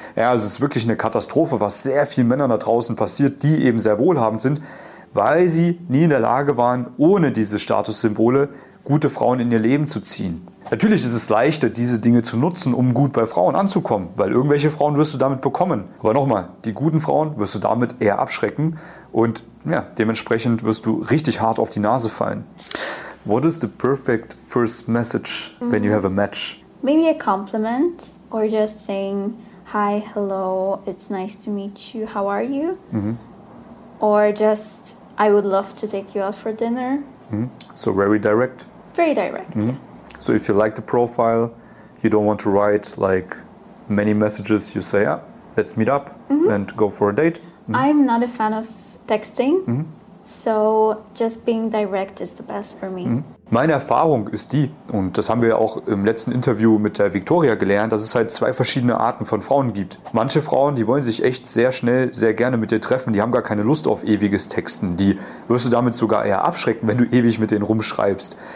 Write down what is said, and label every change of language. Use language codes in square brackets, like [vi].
[de] Ja, also es ist wirklich eine Katastrophe, was sehr vielen Männern da draußen passiert, die eben sehr wohlhabend sind, weil sie nie in der Lage waren, ohne diese Statussymbole gute Frauen in ihr Leben zu ziehen. Natürlich ist es leichter, diese Dinge zu nutzen, um gut bei Frauen anzukommen, weil irgendwelche Frauen wirst du damit bekommen. Aber nochmal, die guten Frauen wirst du damit eher abschrecken und ja, dementsprechend wirst du richtig hart auf die Nase fallen. [en] What is the perfect first message when you have a match? Maybe a compliment or just saying, hi, hello, it's nice to meet you, how are you? Or just, I would love to take you out for dinner. So very direct? Very direct, yeah. So if you like the profile, you don't want to write like many messages, you say, yeah, let's meet up and go for a date. I'm not a fan of texting, so just being direct is the best for me. [de] Meine Erfahrung ist die, und das haben wir ja auch im letzten Interview mit der Victoria gelernt, dass es halt zwei verschiedene Arten von Frauen gibt. Manche Frauen, die wollen sich echt sehr schnell, sehr gerne mit dir treffen, die haben gar keine Lust auf ewiges Texten. Die wirst du damit sogar eher abschrecken, wenn du ewig mit denen rumschreibst.